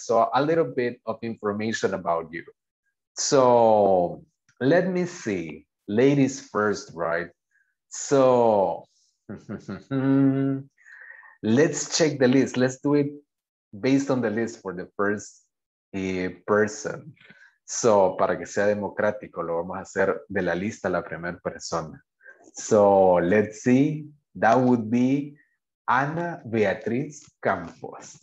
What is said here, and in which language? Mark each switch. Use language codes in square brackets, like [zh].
[en] So a little bit of information about you. So let me see, ladies first, right? So let's check the list. Let's do it based on the list for the first person. [es] So para que sea democrático, lo vamos a hacer de la lista a la primera persona. [en] So let's see, that would be Ana Beatriz Campos.